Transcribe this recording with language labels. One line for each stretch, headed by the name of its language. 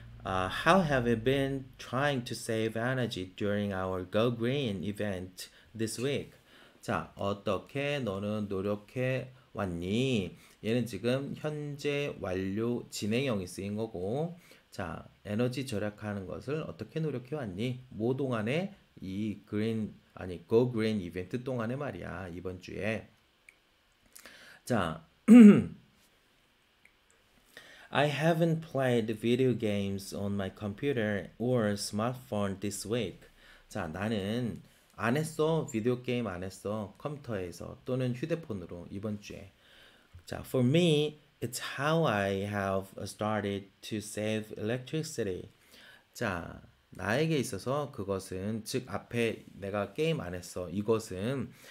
English: How have you been trying to save energy during our Go Green event this week?
Korean: 자, 어떻게 너는 노력해 왔니? 얘는 지금 현재 완료 진행형이 쓰인 거고, 자, 에너지 절약하는 것을 어떻게 노력해 왔니? 뭐 동안에? 이 Green, 아니 Go Green 이벤트 동안에 말이야, 이번 주에.
English: 자, I haven't played video games on my computer or smartphone this week.
Korean: 자, 나는 안 했어. 비디오 게임 안 했어. 컴퓨터에서 또는 휴대폰으로 이번 주에.
English: 자, for me, it's how I have started to save electricity.
Korean: 자, 나에게 있어서 그것은, 즉 앞에 내가 게임 안 했어. 이것은